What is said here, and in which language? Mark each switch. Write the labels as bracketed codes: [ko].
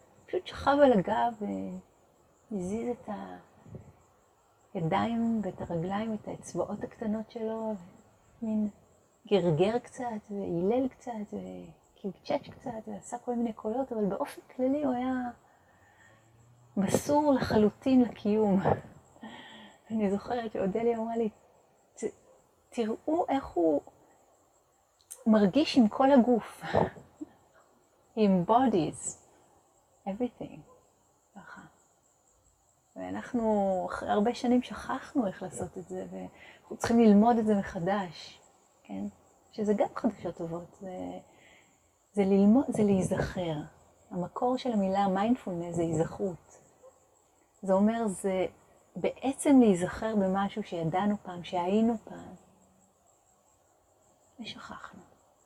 [he] פשוט שכב על הגב ומזיז את הידיים ואת הרגליים, את האצבעות הקטנות שלו, ומין גרגר קצת ואילל קצת וקיבצ'אץ' קצת ועשה כל מיני קולות, אבל באופן כללי הוא היה מסור לחלוטין לקיום. אני זוכרת שאודלי אמרה לי, תראו איך הוא מרגיש עם כל הגוף. [en] He embodies everything. [he] ככה. ואנחנו אחרי הרבה שנים שכחנו איך לעשות את זה, ואנחנו צריכים ללמוד את זה מחדש. כן? שזה גם חדשות טובות. זה ללמוד, זה להיזכר. המקור של המילה mindfulness זה היזכרות. זה אומר, זה בעצם להיזכר במשהו שידענו פעם, שהיינו פעם, ושכחנו.